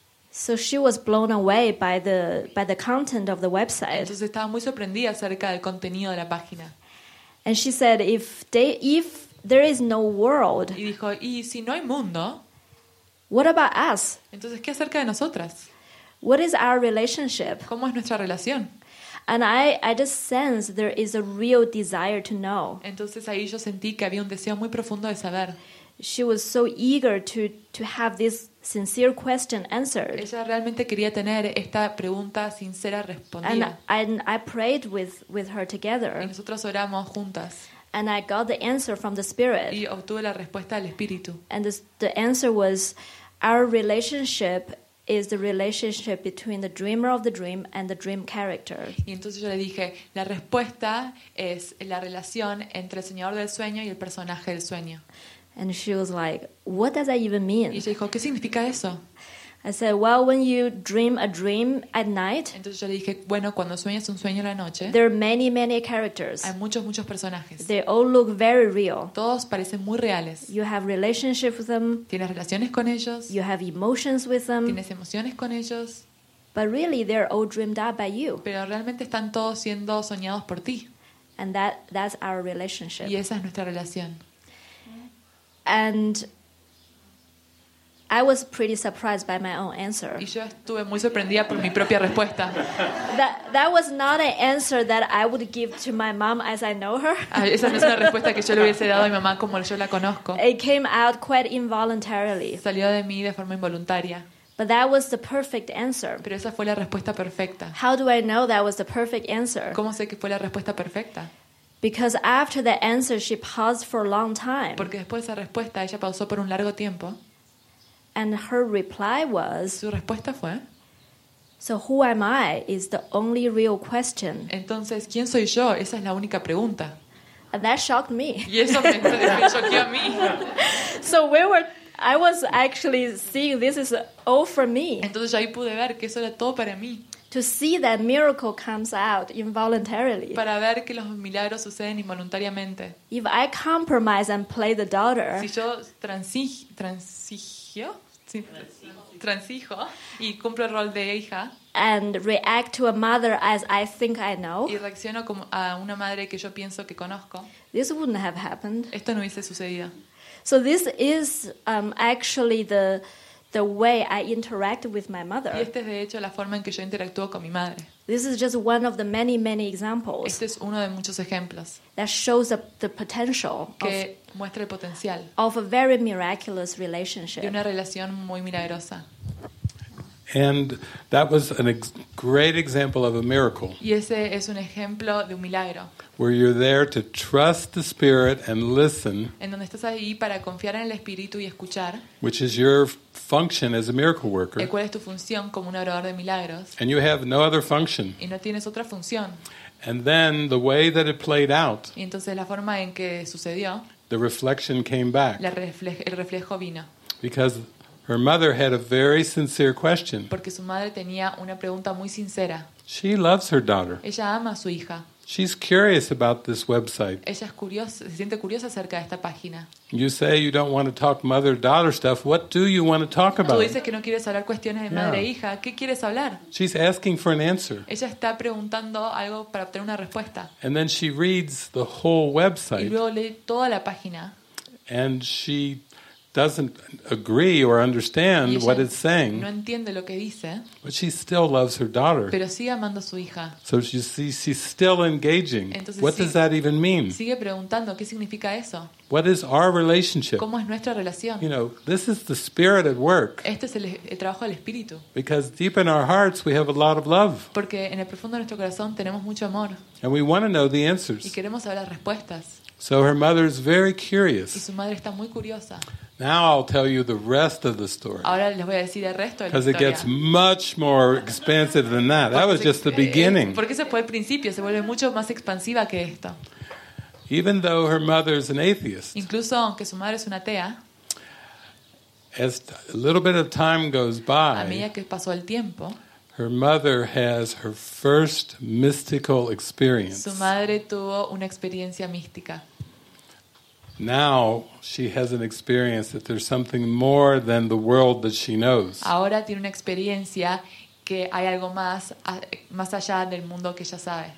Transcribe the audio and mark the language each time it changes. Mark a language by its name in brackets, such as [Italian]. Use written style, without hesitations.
[English] So she was blown away by the content of the website. [Spanish] Entonces estaba muy sorprendida acerca del contenido de la página. [English] And she said, if there is no world. [Spanish] Y dijo, y si no hay mundo. [English] What about us? [Spanish] Entonces qué acerca de nosotras. [English] What is our relationship? [Spanish] ¿Cómo es nuestra relación? [English] And I just sense there is a real desire to know. [Spanish] Entonces ahí yo sentí que había un deseo muy profundo de saber. [English] She was so eager to have this sincere question answered. [Spanish] Ella realmente quería tener esta pregunta sincera respondida. [English] And I prayed with her together. [Spanish] Y nosotros oramos juntas. [English] And I got the answer from the Spirit. [Spanish] Y obtuve la respuesta del Espíritu. [English] And the answer was our relationship is the relationship between the dreamer of the dream and the dream character. [Spanish] Y entonces yo le dije, la respuesta es la relación entre el señor del sueño y el personaje del sueño. [English] And she was like, what does that even mean? [Spanish] Y ella dijo, ¿qué significa eso? [English] I said, well, when you dream a dream at night, [Spanish] entonces yo le dije, bueno, cuando sueñas un sueño en la noche, [English] there are many, many characters. [Spanish] Hay muchos, muchos personajes. [English] They all look very real. [Spanish] Todos parecen muy reales. [English] You have relationships with them. [Spanish] Tienes relaciones con ellos. [English] You have emotions with them. [Spanish] Tienes emociones con ellos. [English] But really, they're all dreamed up by you. [Spanish] Pero realmente están todos siendo soñados por ti. [English] And that's our relationship. [Spanish] Y esa es nuestra relación. [English] And I was pretty surprised by my own answer. [Spanish] Y yo estuve muy sorprendida por mi propia respuesta. [English] That was not an answer that I would give to my mom as I know her. [Spanish] Esa no es una respuesta que yo le hubiese dado a mi mamá como yo la conozco. [English] It came out quite involuntarily. [Spanish] Salió de mí de forma involuntaria. [English] But that was the perfect answer. [Spanish] Pero esa fue la respuesta perfecta. [English] How do I know that was the perfect answer? [Spanish] ¿Cómo sé que fue la respuesta perfecta? [English] Because after the answer, she paused for a long time. [Spanish] Porque después de esa respuesta, ella pausó por un largo tiempo. [English] And her reply was. [Spanish] Su respuesta fue. [English] So who am I is the only real question. [Spanish] Entonces, ¿quién soy yo? Esa es la única pregunta. [English] And that shocked me. [Spanish] Y eso me choqueó a mí. [English] So I was actually seeing this is all for me. [Spanish] Entonces ahí pude ver que eso era todo para mí. [English] To see that miracle comes out involuntarily. [Spanish] Para ver que los milagros suceden involuntariamente. [English] If I compromise and play the daughter. [Spanish] Si yo transijo y cumplo el rol de hija. [English] And react to a mother as I think I know. [Spanish] Y reacciono como a una madre que yo pienso que conozco. [English] This wouldn't have happened. [Spanish] Esto no hubiese sucedido. [English] So this is actually the way I interact with my mother. [Spanish] Y esta es de hecho la forma en que yo interactúo con mi madre. [English] This is just one of the many, many examples. [Spanish] Este es uno de muchos ejemplos. [English] That shows the potential. [Spanish] Que muestra el potencial. [English] Of a very miraculous relationship. [Spanish] De una relación muy milagrosa. [English] And that was a great example of a miracle. [Spanish] Y ese es un ejemplo de un milagro. [English] Where you're there to trust the Spirit and listen. [Spanish] En donde estás ahí para confiar en el Espíritu y escuchar. [English] Which is your function as a miracle worker. [Spanish] ¿Cuál es tu función como un orador de milagros? [English] And you have no other function. [Spanish] Y no tienes otra función. [English] And then the way that it played out. [Spanish] Y entonces la forma en que sucedió. [English] The reflection came back. [Spanish] El reflejo vino. [English] Because her mother had a very sincere question. [Spanish] Porque su madre tenía una pregunta muy sincera. [English] She loves her daughter. [Spanish] Ella ama a su hija. [English] She's curious about this website. [Spanish] Ella es curiosa, se siente curiosa acerca de esta página. [English] You say you don't want to talk mother-daughter stuff. What do you want to talk about? [Spanish] Tú dices que no quieres hablar cuestiones de madre e hija. ¿Qué quieres hablar? [English] She's asking for an answer. [Spanish] Ella está preguntando algo para obtener una respuesta. [English] And then she reads the whole website. [Spanish] Y luego lee toda la página. [English] And she doesn't agree or understand what it's saying. [Spanish] No entiende lo que dice. [English] But she still loves her daughter. [Spanish] Pero sigue amando a su hija. [English] So you see, she's still engaging. [Spanish] Entonces, [English] what does that even mean? [Spanish] Sigue preguntando, ¿qué significa eso? [English] What is our relationship? [Spanish] ¿Cómo es nuestra relación? [English] You know, this is the Spirit at work. [Spanish] Este es el trabajo del Espíritu. [English] Because deep in our hearts we have a lot of love. [Spanish] Porque en el profundo de nuestro corazón tenemos mucho amor. [English] And we want to know the answers. [Spanish] Y queremos saber las respuestas. [English] So her mother is very curious. [Spanish] Y su madre está muy curiosa. [English] Now I'll tell you the rest of the story. [Spanish] Ahora les voy a decir el resto de la historia. [English] Because it gets much more expansive than that. That was just the beginning. [Spanish] Porque ese fue el principio. Se vuelve mucho más expansiva que esto. [English] Even though her mother is an atheist. [Spanish] Incluso aunque su madre es una atea. [English] As a little bit of time goes by. [Spanish] A medida que pasó el tiempo. [English] Her mother has her first mystical experience. [Spanish] Su madre tuvo una experiencia mística. [English] Now she has an experience that there's something more than the world that she knows. [Spanish] Ahora tiene una experiencia que hay algo más allá del mundo que ella sabe.